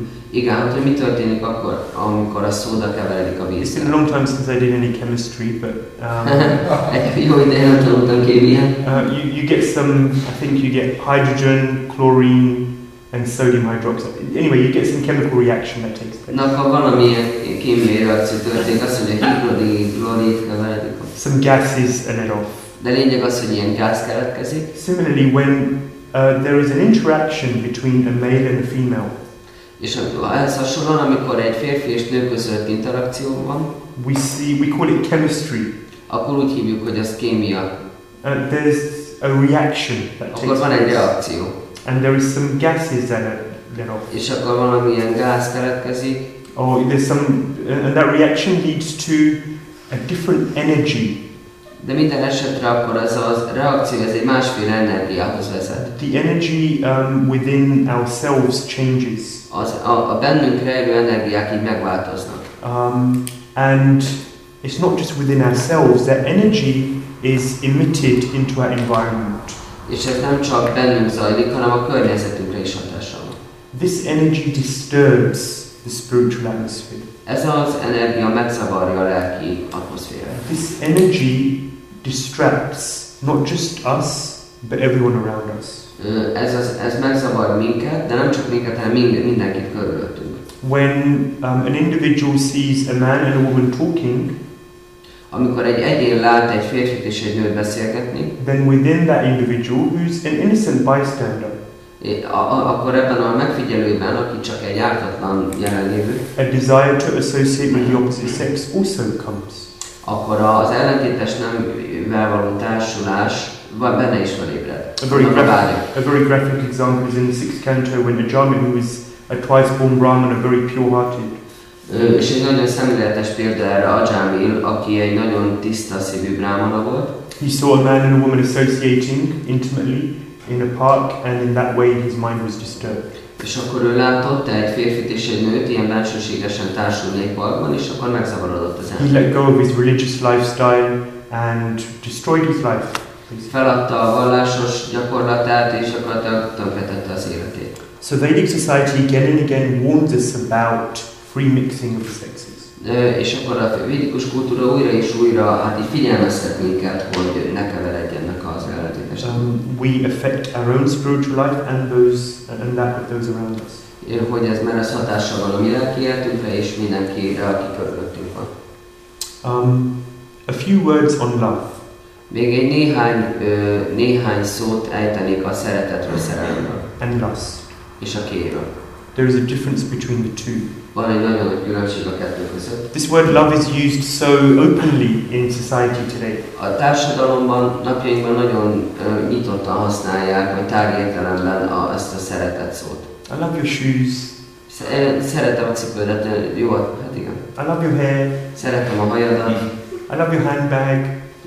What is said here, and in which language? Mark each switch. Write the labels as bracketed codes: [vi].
[hu] Igen, hogy mi történik akkor, amikor a szóda keveredik a vízzel? [en] It's been a long time since I did any chemistry, but [hu] jó ideje, nem tanultam kémiát. [en] You get some, I think you get hydrogen, chlorine, and sodium hydroxide. Anyway, you get some chemical reaction that takes place. [hu] Na, akkor valamilyen kémiai reakció történik, azt mondja, hogy chlorine keveredik. [en] Some gases and it off. [hu] De lényeg az, hogy ilyen gáz keletkezik. [en] Similarly, when there is an interaction between a male and a female. [hu] És ez hasonlóan, amikor egy férfi és nő között interakció van. [en] We call it chemistry. [hu] Akkor úgy hívjuk, hogy az kémia. [en] There's a reaction that [hu] akkor [en] takes [hu] van [en] place. [hu] Egy reakció. [en] And there is some gases that are off. [hu] És akkor valamilyen gáz keletkezik. [en] Oh, there's some, and that reaction leads to a different energy. [hu] De minden esetre akkor ez a reakció, ez egy másféle energiához vezet. [en] The energy within ourselves changes. [hu] A bennünk rejlő energiák így megváltoznak. [en] And it's not just within ourselves, that energy is emitted into our environment. [hu] És ez nem csak bennünk zajlik, hanem a környezetünkre is hatással. [en] This energy disturbs the spiritual atmosphere. [hu] Ez az energia megzavarja a lelki atmoszférát. [en] This energy distracts not just us, but everyone around us. [hu] Ez megzavar minket, de nem csak minket, hanem mindenkit körülöttünk. [en] When an individual sees a man and a woman talking, [hu] amikor egy egyén lát egy férfit és egy nőt beszélgetni, [en] then within that individual, who's an innocent bystander, [hu] akkor ebben a megfigyelőben, aki csak egy ártatlan jelenlévő, [en] a desire to associate with the opposite sex also comes. [hu] Akkor az ellentétes neművel való társulás benne is felébred. [en] A very graphic example is in the sixth canto when a Ajami, who is a twice born Brahman, a very pure-hearted. [hu] És egy nagyon szemléletes példa erre Ajami, aki egy nagyon tiszta szívű brámana volt. [en] He saw a man and a woman associating intimately in a park, and in that way his mind was disturbed. [hu] És akkor ő látott egy férfit és egy nőt ilyen bensőségesen társulni egy parkban, és akkor megzavarodott az ember. [en] He let go of his religious lifestyle and destroyed his life. [hu] Feladta a vallásos gyakorlatát, és gyakorlatilag tönkretette az életét. [en] So Vedic society again and again warns us about free mixing of sexes. [hu] És akkor a védikus kultúra újra és újra hát így figyelmeztet minket, hogy ne keveredjenek az ellentétes. [en] We affect our own spiritual life and those and that of those around us. [hu] Hogy ez már az hatással van a mi lelki életünkre és mindenkire, aki körülöttünk van. [en] A few words on love. [hu] Még egy néhány szót ejtenék a szeretetről, szerelemről. [en] And lust. [hu] És a kéről. [en] There is a difference between the two. [hu] Van egy nagyon nagy különbség a kettő között. [en] This word love is used so openly in society today. [hu] A társadalomban napjainkban nagyon nyitottan használják, vagy tárgy értelemben ezt a szeretet szót. [en] I love your shoes. [hu] Szeretem a cipődet, jó, hát igen. [en] I love your hair. [hu] Szeretem a hajadat. [en] I love your handbag.